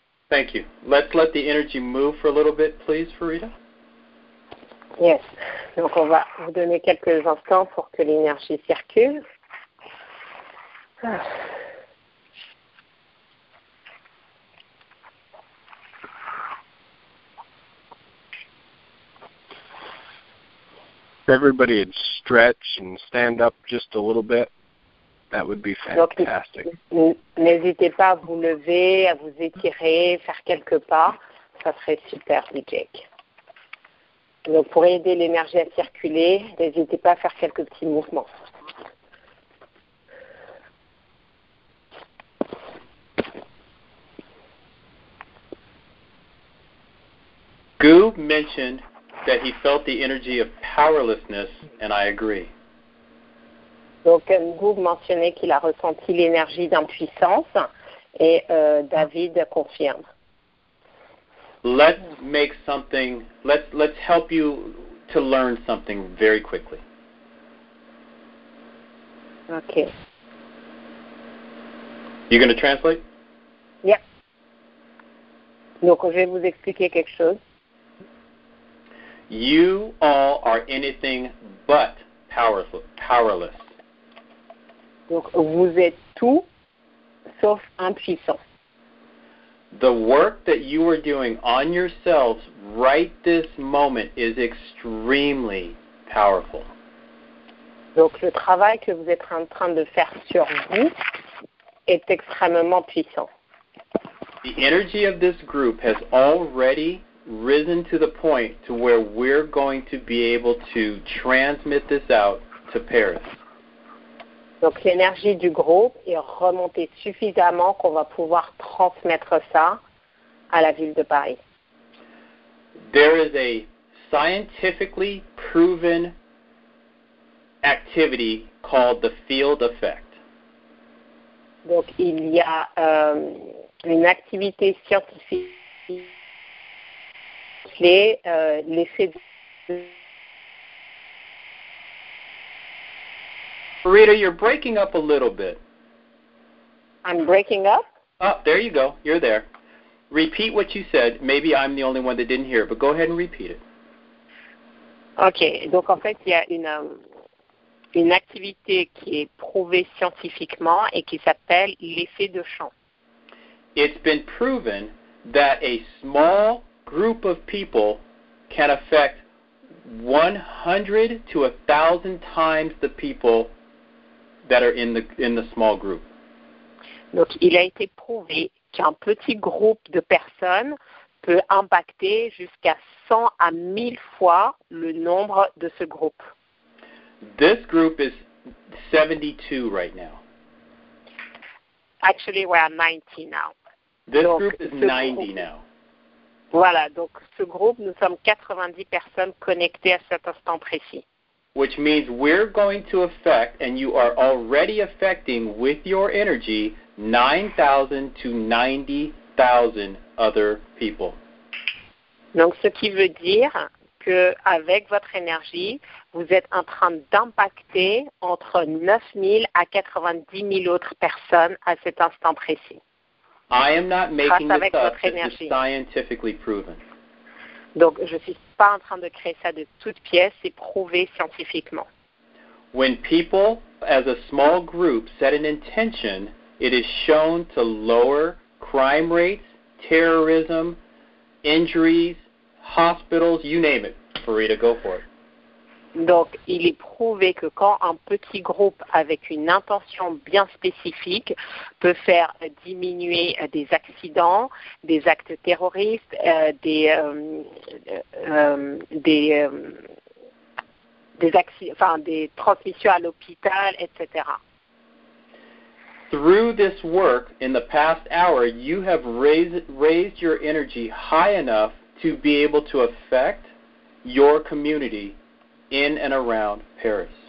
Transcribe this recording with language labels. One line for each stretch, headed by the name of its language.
English: Thank you. Let's let the energy move for a little bit, please, Farida. Yes.
French: Donc, on va vous donner quelques instants pour que l'énergie circule.
English: If everybody would stretch and stand up just a little bit, that would be fantastic.
French: Donc, n'hésitez pas à vous lever, à vous étirer, faire quelques pas. Ça serait super, Vijay. Donc, pour aider l'énergie à circuler, n'hésitez pas à faire quelques petits mouvements.
English: Gu mentioned that he felt the energy of powerlessness, and I agree.
French: Donc, Gu mentionnait qu'il a ressenti l'énergie d'impuissance, et David confirme.
English: Let's make something, let's help you to learn something very quickly. Okay. You going to translate?
French: Yeah. Donc, je vais vous expliquer quelque chose.
English: You all are anything but powerless.
French: Donc, vous êtes tout sauf impuissant.
English: The work that you are doing on yourselves right this moment is extremely powerful.
French: Donc, le travail que vous êtes en train de faire sur vous est extrêmement puissant.
English: The energy of this group has already risen to the point to where we're going to be able to transmit this out to Paris.
French: Donc l'énergie du groupe est remontée suffisamment qu'on va pouvoir transmettre ça à la ville de Paris.
English: There is a scientifically proven activity called the field effect.
French: Donc il y a une activité scientifique appelée l'effet de...
English: Rita, you're breaking up a little bit. I'm breaking up? Oh, there you go. You're there. Repeat what you said. Maybe I'm the only one that didn't hear it, but go ahead and repeat it. Okay.
French: Donc, en fait, il y a une activité qui est prouvée scientifiquement et qui s'appelle l'effet de champ.
English: It's been proven that a small group of people can affect 100 to 1,000 times the people that are in the small group.
French: Donc, il a été prouvé qu'un petit groupe de personnes peut impacter jusqu'à 100 à 1000 fois le nombre de ce groupe.
English: This group is 72 right now. Actually, we're at 90 now. This donc, group is 90 groupe, now.
French: Voilà, donc ce groupe, nous sommes 90 personnes connectées à cet instant précis.
English: Which means we're going to affect, and you are already affecting with your energy, 9,000 to 90,000 other people.
French: Donc, ce qui veut dire que avec votre énergie, vous êtes en train d'impacter entre 9,000 à 90,000 autres personnes à cet instant précis.
English: I am not making this up. This is scientifically proven.
French: Donc, je ne suis pas en train de créer ça de toutes pièces, c'est prouvé scientifiquement.
English: When people, as a small group, set an intention, it is shown to lower crime rates, terrorism, injuries, hospitals, you name it. Farida, go for it.
French: Donc, il est prouvé que quand un petit groupe avec une intention bien spécifique peut faire diminuer des accidents, des actes terroristes, des transmissions à l'hôpital, etc.
English: Through this work, in the past hour, you have raised your energy high enough to be able to affect your community in and around Paris.